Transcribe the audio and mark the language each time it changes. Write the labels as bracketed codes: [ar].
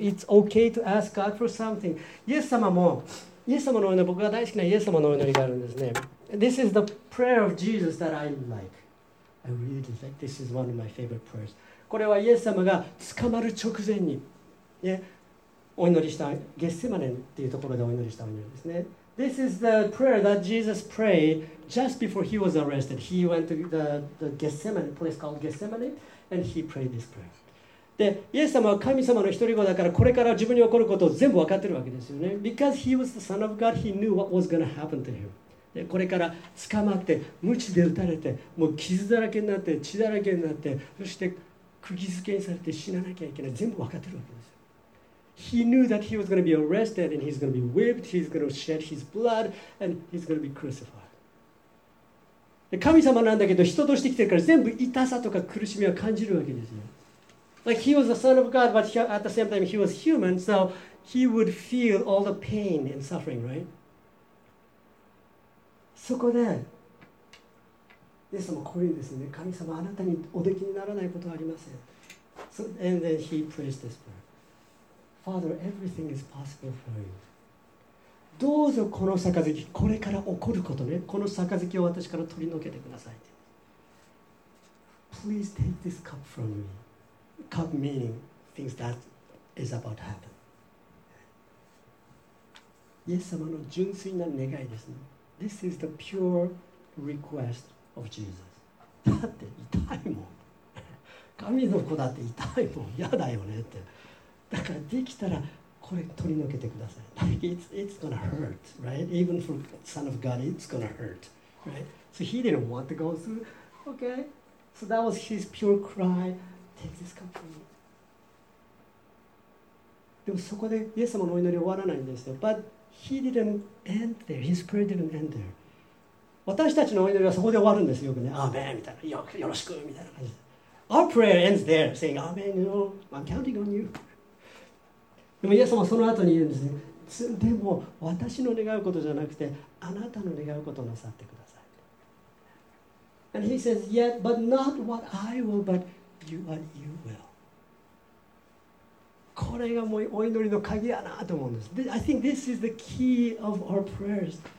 [en] It's okay to ask God for something. [ja] イエス様もイエス様のお祈り、僕が大好きなイエス様のお祈りがあるんですね。 [en] This is the prayer of Jesus that I like. I really like. This is one of my favorite prayers. [ja] これはイエス様が捕まる直前に、ね、お祈りしたゲッセマネっていうところでお祈りしたお祈りですね。 [en] This is the prayer that Jesus prayed just before he was arrested. He went to the Gethsemane, place called Gethsemane, and he prayed this prayer. [ja] でイエス様は神様の一人子だからこれから自分に起こることを全部分かってるわけですよね。 [en] Because he was the son of God, he knew what was going to happen to him. [ja] でこれから捕まって鞭で打たれてもう傷だらけになって血だらけになってそして釘付けにされて死ななきゃいけない、全部分かってるわけですよ。 [en] He knew that he was going to be arrested and he's going to be whipped, he's going to shed his blood and he's going to be crucified. [ja] で神様なんだけど人として来てるから全部痛さとか苦しみは感じるわけですよ。 [en] Like he was the son of God, but at the same time he was human, so he would feel all the pain and suffering, right? [ja] そこで、イエス様こういうんですね。神様、あなたにおできにならないことはありません。 [en] So, and then he prays this prayer. Father, everything is possible for you. [ja] どうぞこの杯、これから起こることね。この杯を私から取り除けてください。 [en] Please take this cup from me. Cup meaning things that is about to happen. [ja] イエス様の純粋な願いですね。 [en] This is the pure request of Jesus. [ja] だって痛いもん。神の子だって痛いもん。嫌だよねって。だからできたらこれ取り除けてください。 [en] Like it's gonna hurt, right? Even for the Son of God, it's gonna hurt, right? So he didn't want to go through. Okay. So that was his pure cry. Take this cup from me. [ja] でもそこでイエス様のお祈り終わらないんですよ。 [en] But he didn't end there. His prayer didn't end there. [ja] 私たちのお祈りはそこで終わるんですよ。よくね、アーメンみたいな、よろしくみたいな感じで。 [en] Our prayer ends there, saying, Amen, you know, I'm counting on you. [ja] でもイエス様その後に言うんですね。でも私の願うことじゃなくて、あなたの願うことをなさってください。 [en] And he says, Yet, but not what I will, but You are, you will. [ja] これがもうお祈りの鍵やなと思うんです。 [en] I think this is the key of our prayers.